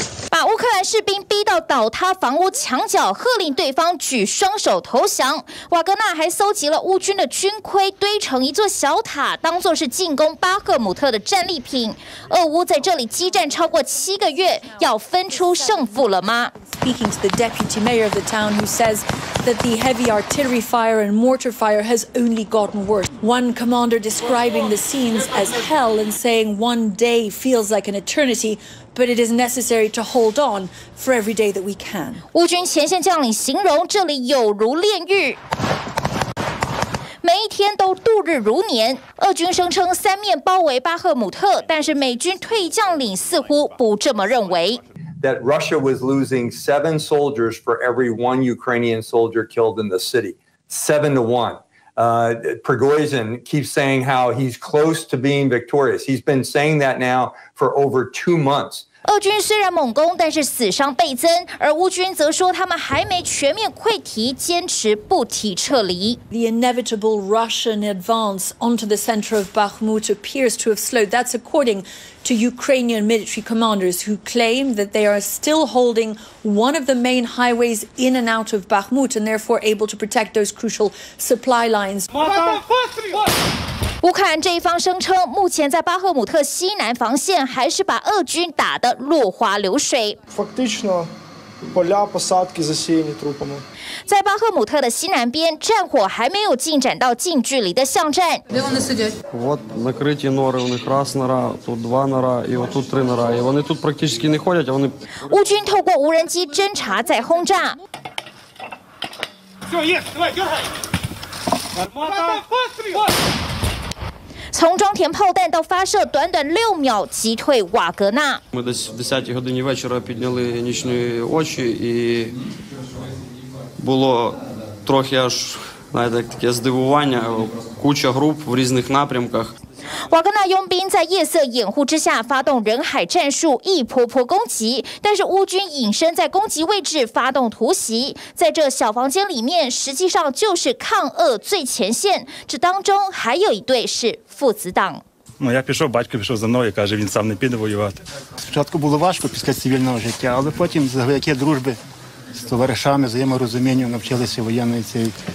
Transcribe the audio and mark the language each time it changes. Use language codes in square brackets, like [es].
[zh] 把乌克兰士兵逼到倒塌房屋墙角，喝令对方举双手投降。瓦格纳还搜集了乌军的军盔，堆成一座小塔，当作是进攻巴赫姆特的战利品。俄乌在这里激战超过7个月，要分出胜负了吗？ [en] Speaking to the deputy mayor of the town, who says that the heavy artillery fire and mortar fire has only gotten worse. One commander describing the scenes as hell and saying one day feels like an eternity, but it is necessary to hold on for every day that we can. [zh] 乌军前线将领形容这里有如炼狱。每一天都度日如年，俄军声称三面包围巴赫姆特，但是美军退将领似乎不这么认为。 [en] That Russia was losing 7 soldiers for every 1 Ukrainian soldier killed in the city. 7-1. Prigozhin keeps saying how he's close to being victorious. He's been saying that now for over 2 months. [zh] 俄军虽然猛攻，但是死伤倍增，而乌军则说他们还没全面溃堤，坚持不提撤离。 [en] The inevitable Russian advance onto the center of Bakhmut appears to have slowed. That's according to Ukrainian military commanders who claim that they are still holding one of the main highways in and out of Bakhmut and therefore able to protect those crucial supply lines. [zh] 乌克兰这一方声称，目前在巴赫姆特西南防线还是把俄军打得落花流水。在巴赫姆特的西南边，战火还没有进展到近距离的巷战。乌军透过无人机侦察在轰炸。从装填炮弹到发射，短短6秒击退瓦格纳。 [uk] Ми десь в 10-й годині вечора підняли нічні очі і було трохи аж знаєте, таке здивування, куча груп в різних напрямках. [zh] 瓦格纳佣兵在夜色掩护之下发动人海战术，一波波攻击。但是乌军隐身在攻击位置发动突袭，在这小房间里面，实际上就是抗俄最前线。这当中还有一对是父子党。 [uk] Моя пішов, батько пішов за мною, каже, він сам не піде воювати. Спочатку було важко після цивільного життя, але потім завдяки дружби з товаришами, взаєморозумінню навчилися воєнної цієї.